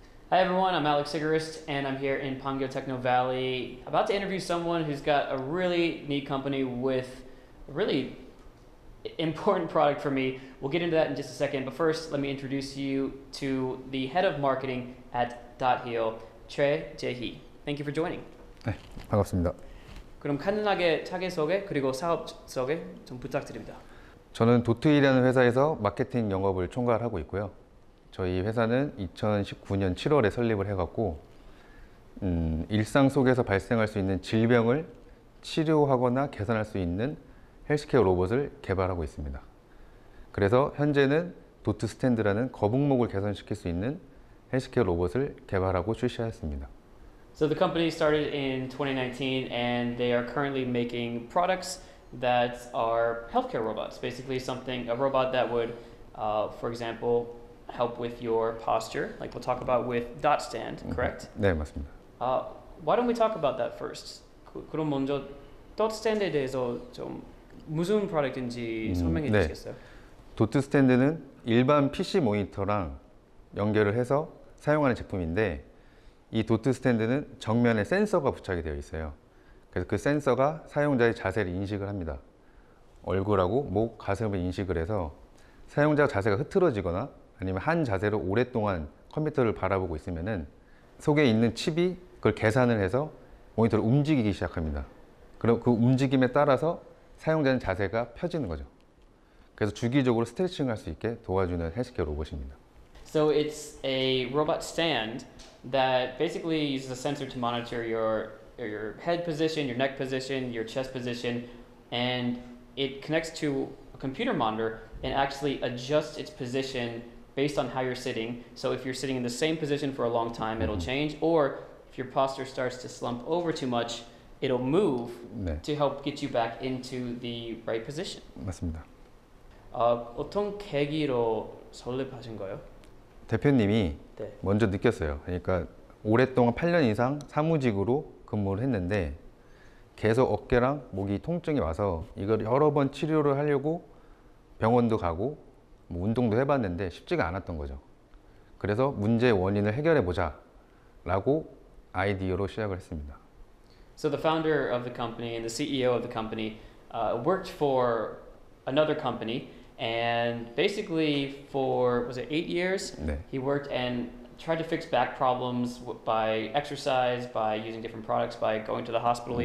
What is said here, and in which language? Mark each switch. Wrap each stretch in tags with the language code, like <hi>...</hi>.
<en>Hi everyone, I'm Alex Sigarist and I'm here in Pangyo Techno Valley about to interview someone who's got a really neat company with a really important product for me. We'll get into that in just a second, but first let me introduce you to the head of marketing at Dotheel, Choi Jae-hee. Thank you for joining.</en> <ko>네, 반갑습니다. 그럼 간단하게 자기 소개 그리고 사업 소개 좀 부탁드립니다. 저는 도트힐이라는 회사에서 마케팅 영업을 총괄하고 있고요. 저희 회사는 2019년 7월에 설립을 해갖고 일상 속에서 발생할 수 있는 질병을 치료하거나 개선할 수 있는 헬스케어 로봇을 개발하고 있습니다. 그래서 현재는 도트 스탠드라는 거북목을 개선시킬 수 있는 헬스케어 로봇을 개발하고 출시하였습니다.</ko> <en>So the company started in 2019 and they are currently making products that are healthcare robots. Basically something, a robot that would, for example, help with your posture, like we'll talk about with dot stand, correct?</en> <ko>네, 맞습니다.</ko> <en>Why don't we talk about that first?</en> <ko>그럼 먼저 dot stand에 대해서 좀 무슨 product인지 설명해 네. 주시겠어요? dot stand는 일반 PC 모니터랑 연결을 해서 사용하는 제품인데 이 dot stand는 정면에 센서가 부착이 되어 있어요. 그래서 그 센서가 사용자의 자세를 인식을 합니다. 얼굴하고 목, 가슴을 인식을 해서 사용자 자세가 흐트러지거나 아니면 한 자세로 오랫동안 컴퓨터를 바라보고 있으면은 속에 있는 칩이 그걸 계산을 해서 모니터를 움직이기 시작합니다. 그럼 그 움직임에 따라서 사용자는 자세가 펴지는 거죠. 그래서 주기적으로 스트레칭할 수 있게 도와주는 헬스케어 로봇입니다.</ko> <en>So it's a robot stand that basically uses a sensor to monitor your head position, your neck position, your chest position, and it connects to a computer monitor and actually adjusts its position based on how you're sitting. So if you're sitting in the same position for a long time, it'll change. Or if your posture starts to slump over too much, it'll move</en> <ko>네.</ko> <en>to help get you back into the right position.</en> <ko>맞습니다. 어떤 계기로 설립하신 거예요? 대표님이 네. 먼저 느꼈어요. 그러니까 오랫동안 8년 이상 사무직으로 근무를 했는데 계속 어깨랑 목이 통증이 와서 이걸 여러 번 치료를 하려고 병원도 가고 뭐 운동도 해봤는데 쉽지가 않았던 거죠. 그래서 문제의 원인을 해결해 보자 라고 아이디어로 시작을 했습니다.</ko> <en>So the founder of the company and the CEO of the company worked for another company and basically for, was it 8 years?</en> <ko>네.</ko> <en>He worked and tried to fix back problems by exercise, by using different products, by going to the hospital</en>